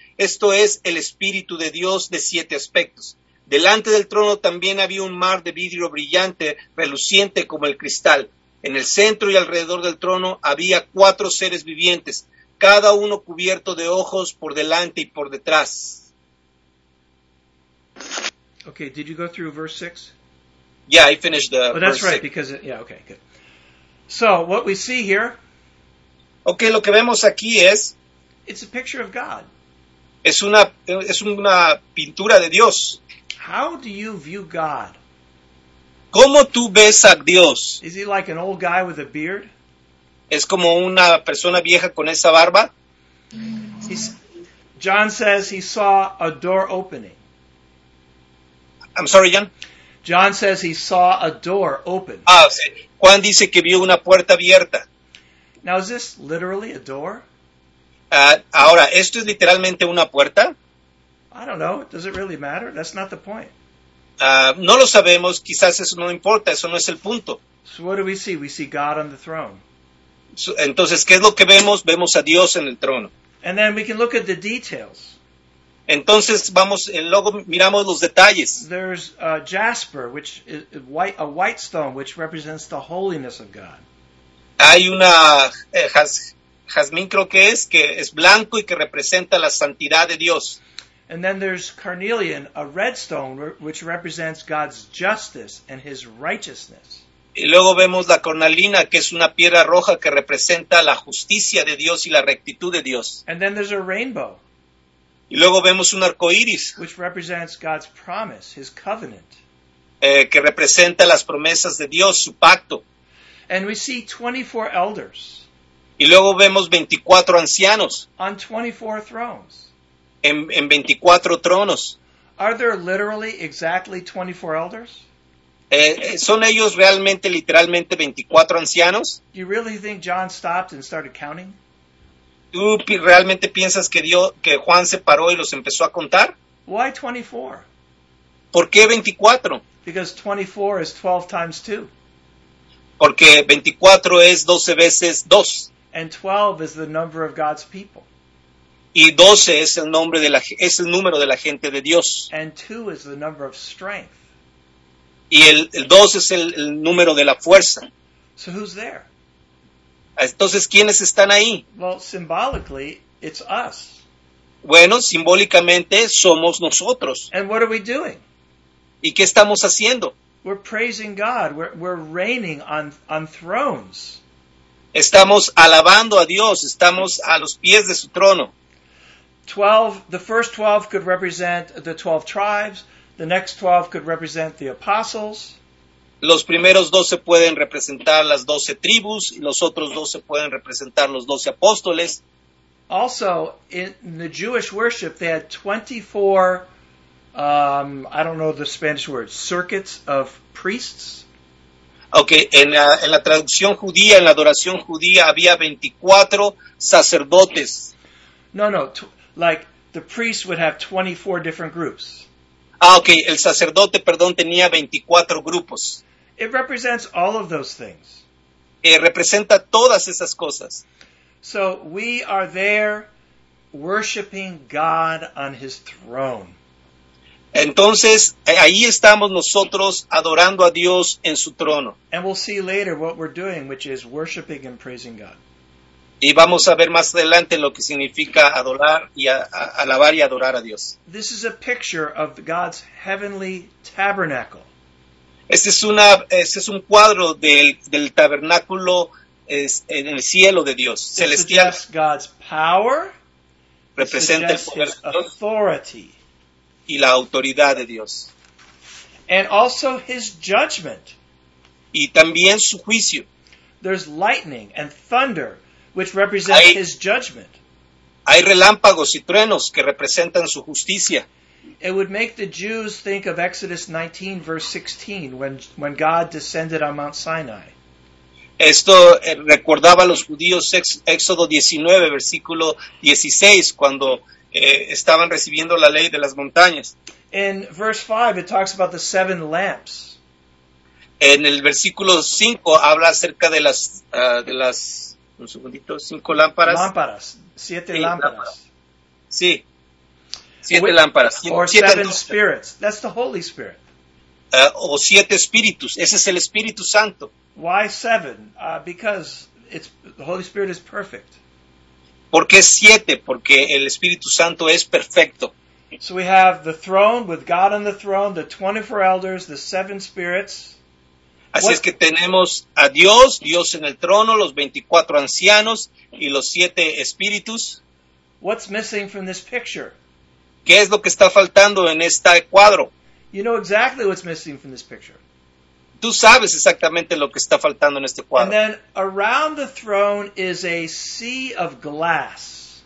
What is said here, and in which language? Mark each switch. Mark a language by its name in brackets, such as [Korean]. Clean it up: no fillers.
[Spanish] Esto es el Espíritu de Dios de 7 aspectos. Delante del trono también había un mar de vidrio brillante, reluciente como el cristal. En el centro y alrededor del trono había 4 seres vivientes, cada uno cubierto de ojos por delante y por detrás. [English] Okay, did you go through verse 6? Yeah, I finished the verse 6. Oh, that's right, because, yeah, okay, good. So, what we see here... [Spanish] Okay, lo que vemos aquí es... [English] It's a picture of God. [Spanish] Es una pintura de Dios. [English] How do you view God? [Spanish] ¿Cómo tú ves a Dios? [English] Is he like an old guy with a beard? [Spanish] ¿Es como una persona vieja con esa barba? [English] John says he saw a door opening. I'm sorry, John. John says he saw a door open. [Spanish] Ah, sí. Juan dice que vio una puerta abierta. [English] Now, is this literally a door? [Spanish] Ahora, ¿esto es literalmente una puerta? [English] I don't know. Does it really matter? That's not the point. [Spanish] No lo sabemos. Quizás eso no importa. Eso no es el punto. [English] So what do we see? We see God on the throne. [Spanish] Entonces, ¿qué es lo que vemos? Vemos a Dios en el trono. [English] And then we can look at the details. [Spanish] Entonces, vamos, luego miramos los detalles. [English] There's a jasper, which is a white stone, which represents the holiness of God. [Spanish] Hay una jazmín, creo que es blanco y que representa la santidad de Dios. [English] And then there's carnelian, a red stone, which represents God's justice and his righteousness. [Spanish] Y luego vemos la cornalina, que es una piedra roja que representa la justicia de Dios y la rectitud de Dios. [English] And then there's a rainbow. [Spanish] Y luego vemos un arco iris, [English] which represents God's promise, his covenant. [Spanish] Que representa las promesas de Dios, su pacto. [English] And we see 24 elders. [Spanish] Y luego vemos 24 ancianos. [English] On 24 thrones. [Spanish] En 24 tronos. [English] Are there literally exactly 24 elders? [Spanish] ¿Son ellos realmente, literalmente, 24 ancianos? [English] Do you really think John stopped and started counting? [Spanish] ¿Tú realmente piensas que Juan se paró y los empezó a contar? [English] Why 24? [Spanish] ¿Por qué 24? [English] Because 24 is 12 times 2. [Spanish] Porque 24 es 12 veces 2. [English] And 12 is the number of God's people. [Spanish] Y 12 es el número de la gente de Dios. [English] And 2 is the number of strength. [Spanish] Y el 2 es el número de la fuerza. [English] So who's there? [Spanish] Entonces, ¿quiénes están ahí? [English] Well, symbolically, it's us. [Spanish] Bueno, simbólicamente somos nosotros. [English] And what are we doing? [Spanish] ¿Y qué estamos haciendo? [English] We're praising God. We're reigning on thrones. [Spanish] Estamos alabando a Dios. Estamos a los pies de su trono. [English] 12, the first 12 could represent the 12 tribes. The next 12 could represent the apostles. [Spanish] Los primeros 12 pueden representar las 12 tribus. Y los otros 12 pueden representar los 12 apóstoles. [English] Also, in the Jewish worship, they had 24, I don't know the Spanish word, circuits of priests. [Spanish] Okay, en la traducción judía, en la adoración judía, había 24 sacerdotes. [English] No, like the priests would have 24 different groups. Ah, okay. [Spanish] El sacerdote, perdón, tenía 24 grupos. [English] It represents all of those things. [Spanish] Representa todas esas cosas. [English] So we are there worshiping God on his throne. [Spanish] Entonces, ahí estamos nosotros adorando a Dios en su trono. [English] And we'll see later what we're doing, which is worshiping and praising God. [Spanish] Y vamos a ver más adelante lo que significa adorar y alabar y adorar a Dios. [English] This is a picture of God's heavenly tabernacle. [Spanish] Este es un cuadro del tabernáculo en el cielo de Dios, [English] it [Spanish] celestial. [English] Suggests God's power, [Spanish] representa [English] suggests [Spanish] el poder [English] his authority. [Spanish] De Dios y la autoridad de Dios. [English] And also his judgment. [Spanish] Y también su juicio. [English] There's lightning and thunder, which represent his judgment. [Spanish] Hay relámpagos y truenos que representan su justicia. [English] It would make the Jews think of Exodus 19, verse 16, when God descended on Mount Sinai. [Spanish] Esto recordaba a los judíos Éxodo 19, versículo 16, cuando estaban recibiendo la ley de las montañas. [English] In verse 5, it talks about the seven lamps. [Spanish] En el versículo 5, habla acerca de las, un segundito, cinco lámparas. Lámparas, siete sí, lámparas. Sí, siete with, lámparas. [English] Or [Spanish] siete [English] seven [Spanish] lámparas. [English] Spirits, that's the Holy Spirit. [Spanish] O siete espíritus, ese es el Espíritu Santo. [English] Why seven? Because it's the Holy Spirit is perfect. [Spanish] ¿Por qué siete? Porque el Espíritu Santo es perfecto. [English] So we have the throne with God on the throne, the 24 elders, the seven spirits. [Spanish] Así [English] what? [Spanish] Es que tenemos a Dios, Dios en el trono, los 24 ancianos y los siete espíritus. [English] What's missing from this picture? [Spanish] ¿Qué es lo que está faltando en este cuadro? [English] You know exactly what's missing from this picture. [Spanish] Tú sabes exactamente lo que está faltando en este cuadro. [English] And then around the throne is a sea of glass.